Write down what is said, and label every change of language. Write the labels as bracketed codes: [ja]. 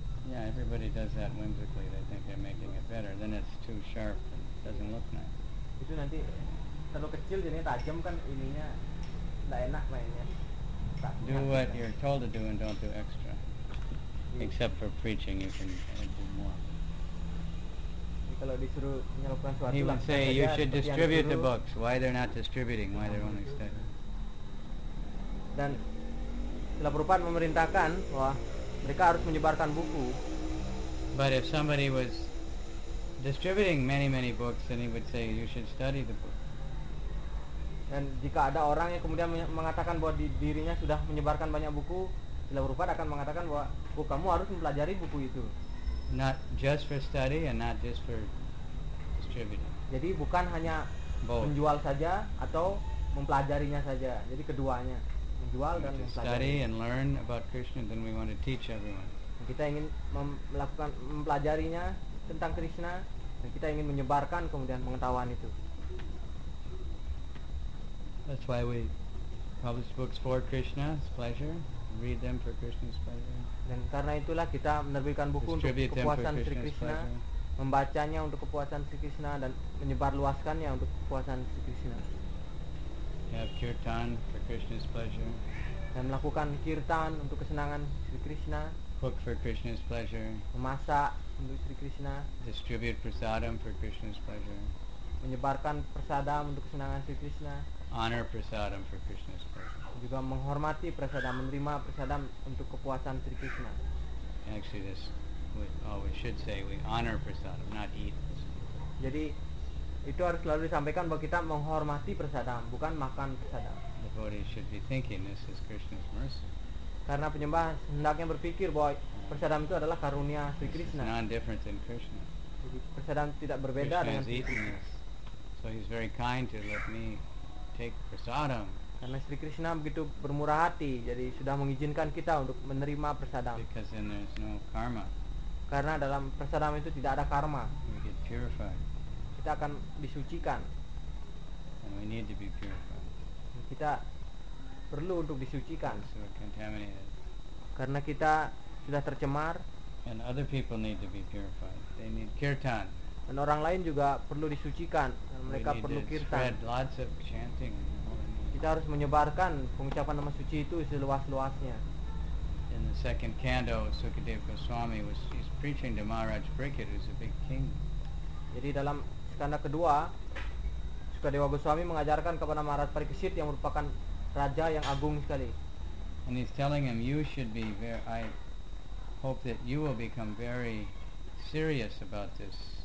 [en] Yeah, everybody does that whimsically. They think they're making it better. Then it's too sharp and doesn't look nice. [id] Itu nanti terlalu kecil jadi tajam kan ininya tidak enak mainnya. [en] Do what you're told to do and don't do extra. Except for preaching, you can do more. [id] Kalau disuruh menyalurkan suatu, [en] he would say you should distribute the books. Why they're not distributing? Why they're only studying? [id] Dan Srila Prabhupada memerintahkan wah mereka harus menyebarkan buku. [en] But if somebody was distributing many many books, then he would say you should study the book. [id] Dan jika ada orang yang kemudian mengatakan bahwa dirinya sudah menyebarkan banyak buku, Srila Prabhupada akan mengatakan bahwa oh, kamu harus mempelajari buku itu. [en] Not just for study and not just for distributing. [id] Jadi bukan hanya [en] both. [id] Menjual saja atau mempelajarinya saja. Jadi keduanya, menjual [en] we [id] dan mempelajari. [en] Study and learn about Krishna, then we want to teach everyone. [id] Kita ingin melakukan mempelajarinya tentang Krishna dan kita ingin menyebarkan kemudian pengetahuan itu. [en] That's why we publish books for Krishna's pleasure, read them for Krishna's pleasure. [id] Dan karena itulah kita menerbitkan buku [en] distribute [id] untuk kepuasan Sri Krishna, membacanya untuk kepuasan Sri Krishna dan menyebarluaskannya untuk kepuasan Sri Krishna. [en] We have kirtan for Krishna's pleasure. [id] Dan melakukan kirtan untuk kesenangan Sri Krishna. [en] Cook for Krishna's pleasure. [id] Memasak untuk Sri Krishna. [en] Distribute prasadam for Krishna's pleasure. [id] Menyebarkan prasadam untuk kesenangan Sri Krishna. [en] Honor prasadam for Krishna's pleasure. [id] Juga menghormati prasadam, menerima prasadam untuk kepuasan Sri Krishna. [en] Actually, this we should say we honor prasadam, not eat. [id] Jadi itu harus selalu disampaikan bahwa kita menghormati prasadam, bukan makan prasadam. [en] The devotee should be thinking this is Krishna's mercy. [id] Karena penyembah hendaknya berpikir bahwa prasadam itu adalah karunia Sri Krishna. [en] This is non-different than Krishna. [id] Jadi prasadam tidak berbeda [en] Krishna's [id] dengan Krishna. [en] Eaten this, so he's very kind to let me take prasadam. [id] Karena Sri Krishna begitu bermurah hati, jadi sudah mengizinkan kita untuk menerima prasadam. [en] Because then there's no karma. [id] Karena dalam prasadam itu tidak ada karma. [en] We get purified. [id] Kita akan disucikan. [en] And we need to be purified. [id] Kita perlu untuk disucikan. [en] So we're contaminated. [id] Karena kita sudah tercemar. [en] And other people need to be purified. They need kirtan. [id] Dan orang lain juga perlu disucikan. Mereka perlu kirtan. [en] We need to spread lots of chanting. [id] Kita harus menyebarkan pengucapan nama suci itu seluas-luasnya. [en] In the second canto, Sukadeva Goswami was preaching to Maharaj Brihat, who's a big king. [id] Jadi dalam skanda kedua, Sukadeva Goswami mengajarkan kepada Maharaj Parikesit yang merupakan raja yang agung sekali. [en] And he's telling him, you should be very. I hope that you will become very serious about this.